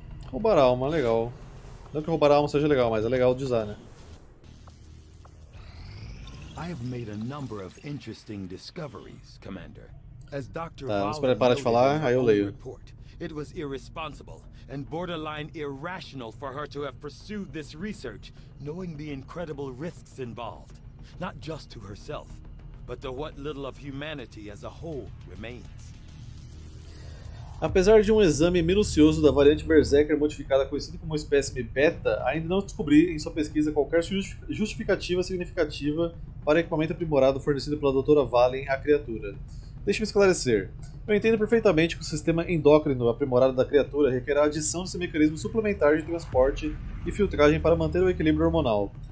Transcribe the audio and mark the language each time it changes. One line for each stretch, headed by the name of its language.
Portuguese: Roubar alma, legal. Não que roubar alma seja legal, mas é legal de usar, né?
English: I have made a number of interesting discoveries, Commander. As Dr.
Portuguese: Tá, espera ele parar de falar, aí eu leio.
English: It was irresponsible and borderline irrational for her to have pursued this research, knowing the incredible risks involved, not just to herself, but to what little of humanity as a whole remains.
Portuguese: Apesar de um exame minucioso da variante Berserker modificada conhecida como espécime Beta, ainda não descobri em sua pesquisa qualquer justificativa significativa para o equipamento aprimorado fornecido pela Dra. Valen à criatura. Deixe-me esclarecer. Eu entendo perfeitamente que o sistema endócrino aprimorado da criatura requer a adição desse mecanismo suplementar de transporte e filtragem para manter o equilíbrio hormonal.